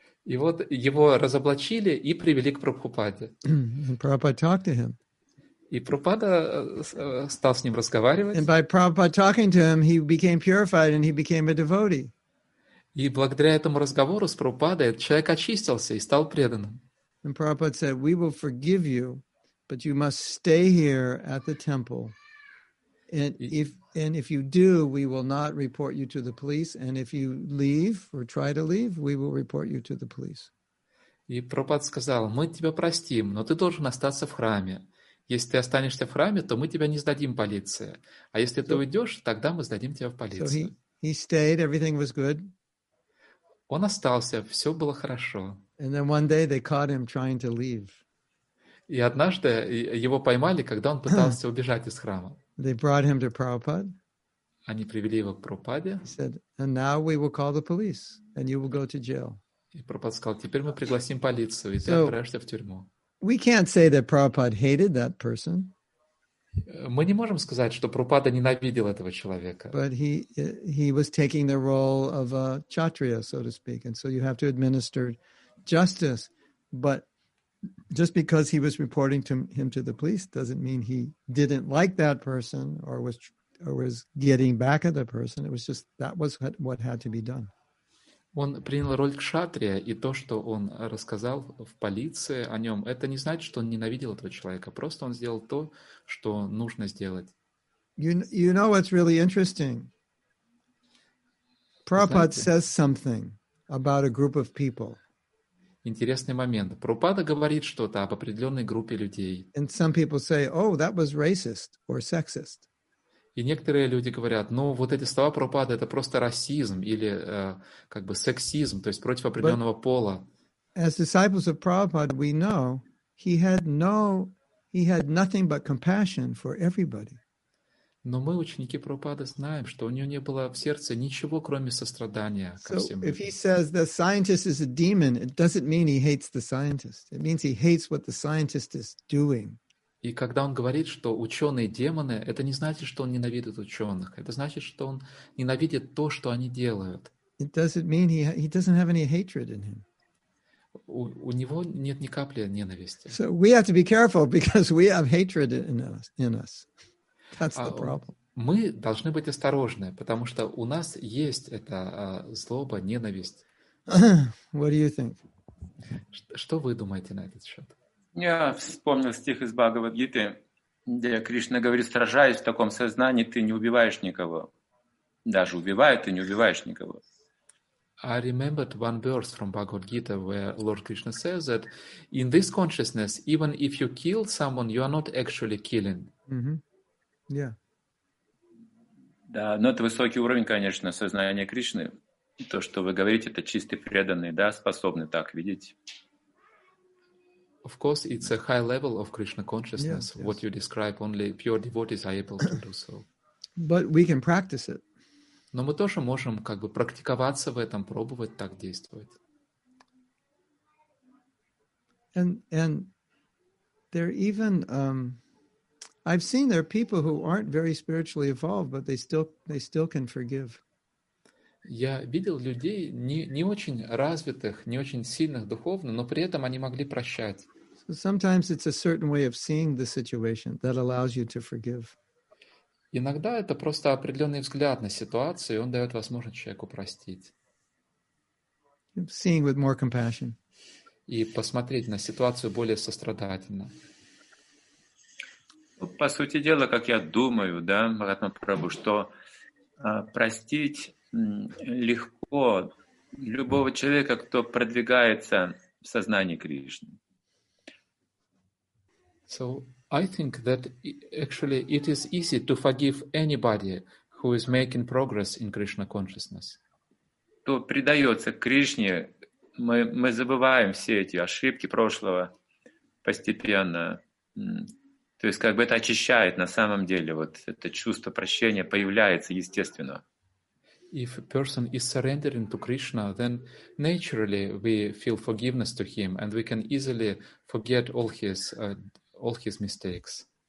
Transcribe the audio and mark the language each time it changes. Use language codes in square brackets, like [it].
[ru] И вот его разоблачили и привели к Прабхупаде. [en] And Prabhupada talked to him. [ru] И Прабхупада стал с ним разговаривать. [en] And by Prabhupada talking to him, he became purified and he became a devotee. [ru] И благодаря этому разговору с Прабхупадой человек очистился и стал преданным. [en] And Prabhupada said, "We will forgive you, but you must stay here at the temple. And if you do, we will not report you to the police. And if you leave or try to leave, we will report you to the police." [ru] И Прабхупада сказал, "Мы тебя простим, но ты должен остаться в храме. Если ты останешься в храме, то мы тебя не сдадим полиции. А если ты уйдешь, тогда мы сдадим тебя в полицию." [en] So he stayed. Everything was good. [ru] Он остался, все было хорошо. [en] And then one day they caught him trying to leave. [ru] И однажды его поймали, когда он пытался убежать из храма. [en] They brought him to Prabhupada. [ru] Они привели его к Прабхупаде. [en] He said, "And now we will call the police, and you will go to jail." [ru] И Прабхупада сказал, "Теперь мы пригласим полицию, и ты отправишься в тюрьму." [en] We can't say that Prabhupada hated that person. [ru] Мы не можем сказать, что Прабхупада ненавидел этого человека. [en] But he was taking the role of a kshatriya, so to speak, and so you have to administer justice. But just because he was reporting to him to the police doesn't mean he didn't like that person or was getting back at the person. It was just that was what had to be done. [ru] Он принял роль кшатрия, и то, что он рассказал в полиции о нем, это не значит, что он ненавидел этого человека. Просто он сделал то, что нужно сделать. [en] You know what's really interesting? Prabhupada says something about a group of people. [ru] Интересный момент. Прабхупада говорит что-то об определенной группе людей. [en] And some people say, "Oh, that was racist or sexist." [ru] И некоторые люди говорят, ну вот эти слова Прабхупады это просто расизм или как бы сексизм, то есть против определенного пола. [en] As disciples of Prabhupada, we know he had nothing but compassion for everybody. [ru] Но мы, ученики Прабхупады, знаем, что у него не было в сердце ничего, кроме сострадания ко всем. [en] So if he says the scientist is a demon, it doesn't mean he hates the scientist. It means he hates what the scientist is doing. [ru] И когда он говорит, что ученые демоны, это не значит, что он ненавидит ученых. Это значит, что он ненавидит то, что они делают. [en] It doesn't mean he doesn't have any hatred in him. [ru] У него нет ни капли ненависти. [en] So we have to be careful because we have hatred in us. That's the problem. [ru] Мы должны быть осторожны, потому что у нас есть эта злоба, ненависть. [en] What do you think? [ru] Что вы думаете на этот счет? Я вспомнил стих из Бхагавад-гиты, где Кришна говорит, сражаясь в таком сознании, ты не убиваешь никого. Даже убивая, ты не убиваешь никого. [en] I remembered one verse from Bhagavad-gita where Lord Krishna says that in this consciousness, even if you kill someone, you are not actually killing. Mm-hmm. Yeah. [ru] Да, но это высокий уровень, конечно, сознания Кришны. То, что вы говорите, это чистый преданный, да, способный так видеть. [en] Of course, it's a high level of Krishna consciousness. Yes, yes. What you describe, only pure devotees are able to do so. But we can practice it. [ru] Но мы тоже можем как бы практиковаться в этом, пробовать так действовать. [en] And there even I've seen there are people who aren't very spiritually evolved, but they still can forgive. [ru] Я видел людей не очень развитых, не очень сильных духовно, но при этом они могли прощать. [en] Sometimes it's a certain way of seeing the situation that allows you to forgive. [ru] Иногда это просто определенный взгляд на ситуацию, и он дает возможность человеку простить. [en] Seeing with more compassion. [ru] И посмотреть на ситуацию более сострадательно. По сути дела, как я думаю, да, Махатма Прабху, что простить легко любого человека, кто продвигается в сознании Кришны. [en] So I think that actually it is easy to forgive anybody who is making progress in Krishna consciousness. [ru] То предается Кришне, мы забываем все эти ошибки прошлого постепенно. То есть как бы это очищает на самом деле, вот это чувство прощения появляется естественно. [en] If a person is surrendering to Krishna, then naturally we feel forgiveness to him and we can easily forget all his mistakes.